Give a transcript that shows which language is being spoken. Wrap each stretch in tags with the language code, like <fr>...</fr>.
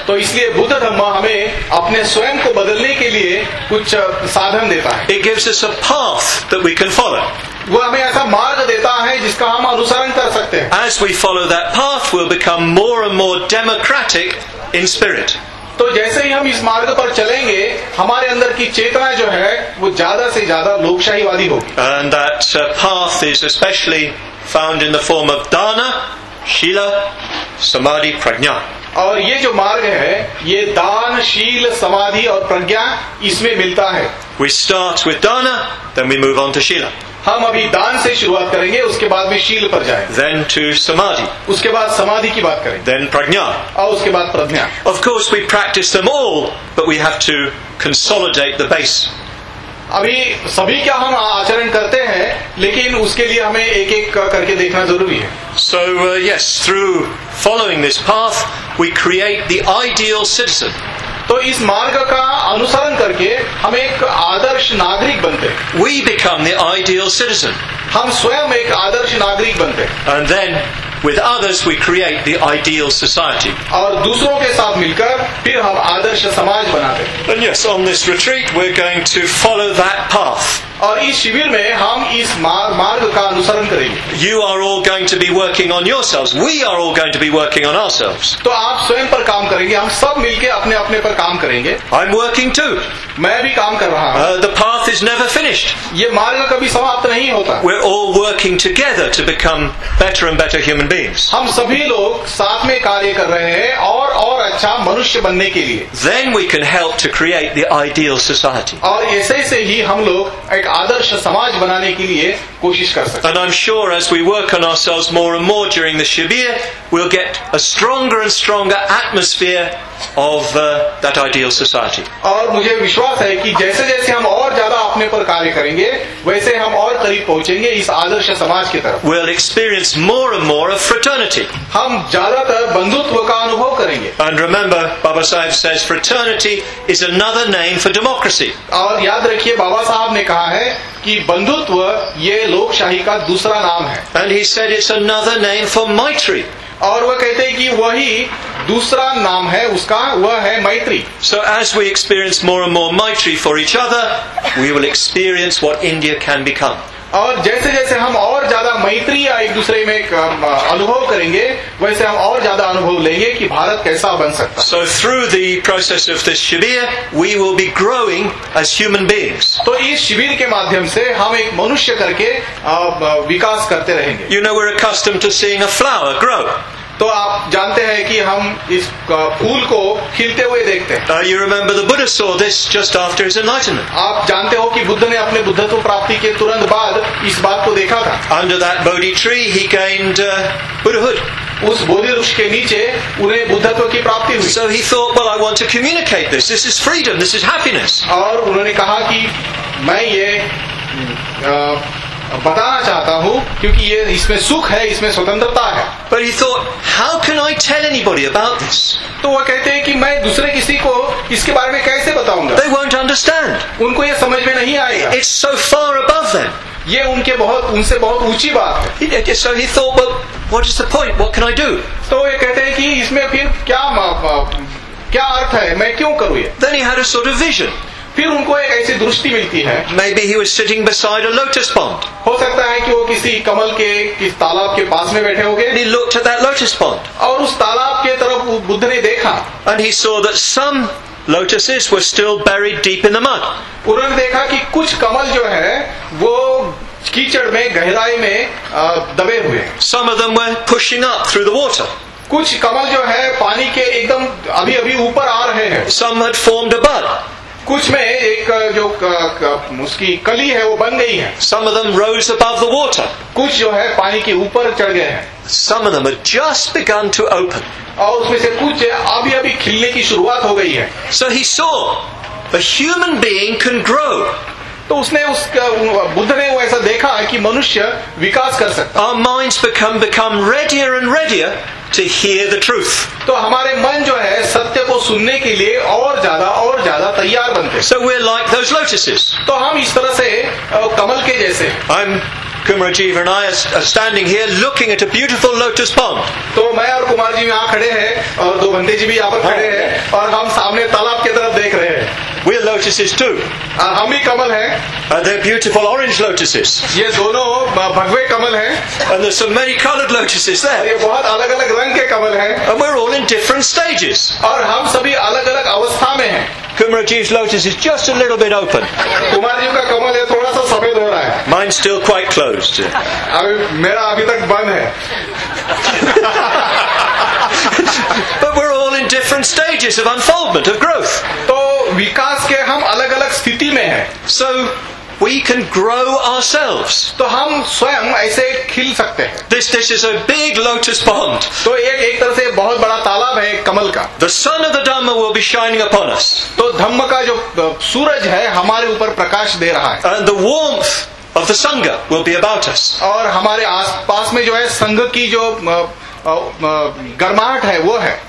<hi>तो इसलिए बुद्ध धर्म हमें अपने स्वयं को बदलने के लिए कुछ साधन देता है.</hi> <en>It gives us a path that we can follow.</en> <hi>वो हमें ऐसा मार्ग देता है जिसका हम अनुसरण कर सकते हैं.</hi> <en>As we follow that path, we'll become more and more democratic in spirit.</en> <hi>तो जैसे ही हम इस मार्ग पर चलेंगे, हमारे अंदर की चेतना जो है, वो ज़्यादा से ज़्यादा लोकशाहीवादी होगी.</hi> <en>And that path is especially found in the form of dana, shila, samadhi, prajna.</en> <hi>और ये जो मार्ग है, ये दान, शील, समाधि और प्रज्ञा इसमें मिलता है.</hi> <en>We start with dana, then we move on to shila.</en> <hi>हम अभी दान से शुरुआत करेंगे, उसके बाद में शील पर जाएं.</hi> <en>Then to samadhi.</en> <hi>उसके बाद समाधि की बात करें.</hi> <en>Then prajna.</en> <hi>और उसके बाद प्रज्ञा.</hi> <en>Of course, we practice them all, but we have to consolidate the base.</en> <hi>अभी सभी क्या हम आचरण करते हैं, लेकिन उसके लिए हमें एक-एक करके देखना जरूरी है.</hi> <en>So yes, through following this path, we create the ideal citizen.</en> <hi>तो इस मार्ग का अनुसरण करके हम एक आदर्श नागरिक बनते हैं.</hi> <en>We become the ideal citizen.</en> <hi>हम स्वयं एक आदर्श नागरिक बनते हैं.</hi> <en>And then, with others, we create the ideal society.</en> <hi>और दूसरों के साथ मिलकर फिर हम आदर्श समाज बनाते हैं.</hi> <en>And yes, on this retreat, we're going to follow that path.</en> <hi>और इस शिविर में हम इस मार्ग का अनुसरण करेंगे.</hi> <en>You are all going to be working on yourselves. We are all going to be working on ourselves.</en> <hi>तो आप स्वयं पर काम करेंगे. हम सब मिलकर अपने-अपने पर काम करेंगे.</hi> <en>I'm working too.</en> <hi>मैं भी काम कर रहा हूँ.</hi> <en>The path is never finished.</en> <hi>ये मार्ग कभी समाप्त नहीं होता.</hi> <en>We're all working together to become better and better human beings.</en> <hi>हम सभी लोग साथ में कार्य कर रहे हैं और अच्छा मनुष्य बनने के लिए.</hi> <en>Then we can help to create the ideal society.</en> <hi>और ऐसे-ऐसे ही हम लोग एक आदर्श समाज बनाने के लिए कोशिश कर सकते.</hi> <en>And I'm sure as we work on ourselves more and more during the shibir, we'll get a stronger and stronger atmosphere of that ideal society.</en> <hi>और मुझे विश्वास है कि जैसे-जैसे हम और ज्यादा अपने पर कार्य करेंगे, वैसे हम और करीब पहुंचेंगे इस आदर्श समाज की तरफ.</hi> <en>We'll experience more and more of fraternity.</en> <hi>हम ज्यादातर बंधुत्व का अनुभव करेंगे.</hi> <en>And remember, Baba Sahib says fraternity is another name for democracy.</en> <hi>और याद रखिए, बाबा साहब ने कहा है कि बंधुत्व ये लोकशाही का दूसरा नाम है.</hi> <en>And he said it's another name for maitri.</en> <hi>और वह कहते हैं कि वही दूसरा नाम है उसका, वह है मैत्री.</hi> <en>So as we experience more and more maitri for each other, we will experience what India can become.</en> <hi>और जैसे-जैसे हम और ज्यादा मैत्री या एक दूसरे में अनुभव करेंगे, वैसे हम और ज्यादा अनुभव लेंगे कि भारत कैसा बन सकता है.</hi> <en>So through the process of this shibir, we will be growing as human beings.</en> <hi>तो इस शिविर के माध्यम से हम एक मनुष्य करके विकास करते रहेंगे.</hi> <en>You know, we're accustomed to seeing a flower grow.</en> <hi>तो आप जानते हैं कि हम इस फूल को खिलते हुए देखते हैं.</hi> <en>You remember the Buddha saw this just after his enlightenment.</en> <hi>आप जानते हो कि बुद्ध ने अपने बुद्धत्व प्राप्ति के तुरंत बाद इस बात को देखा था.</hi> <en>Under that Bodhi tree, he gained Buddhahood.</en> <hi>उस बोधि वृक्ष के नीचे उन्हें बुद्धत्व की प्राप्ति हुई.</hi> <en>So he thought, well, I want to communicate this. This is freedom. This is happiness.</en> <hi>और उन्होंने कहा कि मैं ये बताना चाहता हूँ क्योंकि ये इसमें सुख है, इसमें स्वतंत्रता है.</hi> <en>But he thought, how can I tell anybody about this?</en> <hi>तो वह कहते हैं कि मैं दूसरे किसी को इसके बारे में कैसे बताऊंगा?</hi> <en>They won't understand.</en> <hi>उनको ये समझ में नहीं आएगा.</hi> <en>It's so far above them.</en> <hi>ये उनके बहुत, उनसे बहुत ऊंची बात है.</hi> <en>So he thought, well, what is the point? What can I do?</en> <hi>तो ये कहते हैं कि इसमें फिर क्या अर्थ है, मैं क्यों करूँ ये?</hi> <en>Then he had a sort of vision.</en> <hi>फिर उनको एक ऐसी दृष्टि मिलती है.</hi> <en>Maybe he was sitting beside a lotus pond.</en> <hi>हो सकता है कि वो किसी कमल के, किस तालाब के पास में बैठे होंगे.</hi> <en>He looked at that lotus pond.</en> <hi>और उस तालाब के तरफ बुद्ध ने देखा.</hi> <en>And he saw that some lotuses were still buried deep in the mud.</en> <hi>उन्होंने देखा कि कुछ कमल जो है वो कीचड़ में गहराई में दबे हुए.</hi> <en>Some of them were pushing up through the water.</en> <hi>कुछ कमल जो है पानी के एकदम अभी अभी ऊपर आ रहे हैं.</hi> <en>Some had formed a bud.</en> <hi>कुछ में एक जो उसकी कली है वो बन गई है.</hi> <en>Some of them rose above the water.</en> <hi>कुछ जो है पानी के ऊपर चढ़ गए हैं.</hi> <en>Some of them had just begun to open.</en> <hi>और उसमें से कुछ अभी अभी खिलने की शुरुआत हो गई है.</hi> <en>So he saw a human being can grow.</en> <hi>तो उसने बुद्ध ने वो ऐसा देखा कि मनुष्य विकास कर सकता.</hi> <en>Our minds become readier and readier to hear the truth.</en> <hi>तो हमारे मन जो है सत्य को सुनने के लिए और ज्यादा तैयार बनते.</hi> <en>So we're like those lotuses.</en> <hi>तो हम इस तरह से कमल के जैसे.</hi> <en>I'm Kumarajiva and I are standing here looking at a beautiful lotus pond.</en> <hi>तो मैं और कुमार जी यहाँ खड़े हैं और दो बंदे जी भी यहाँ पर खड़े हैं और हम सामने तालाब की तरफ देख रहे हैं.</hi> <en>We're lotuses too.</en> <hi>हम भी कमल हैं.</hi> <en>They're beautiful orange lotuses.</en> <hi>ये दोनों भगवे कमल हैं.</hi> <en>And there's some many coloured lotuses there.</en> <hi>ये बहुत अलग अलग रंग के कमल हैं.</hi> <en>And we're all in different stages.</en> <hi>और हम सभी अलग अलग अवस्था में हैं.</hi> <en>Kumarajiv's lotus is just a little bit open.</en> <hi>Kumarajiv का कमल ये थोड़ा सा सफेद हो रहा है.</hi> <en>Mine's still quite closed.</en> <hi>अभी मेरा अभी तक बंद है.</hi> <en>But we're all in different stages of unfoldment, of growth.</en> <hi>तो विकास के हम अलग अलग स्थिति में हैं.</hi> <en>So we can grow ourselves.</en> <hi>तो हम स्वयं ऐसे खिल सकते हैं.</hi> <en>This dish is a big lotus pond.</en> <hi>तो एक तरह से बहुत बड़ा तालाब है कमल का.</hi> <en>The sun of the Dhamma will be shining upon us.</en> <hi>तो धम्म का जो सूरज है हमारे ऊपर प्रकाश दे रहा है.</hi> <en>And the warmth of the Sangha will be about us.</en> <hi>और हमारे आस पास में जो है संघ की जो गर्माहट है वो है.</hi>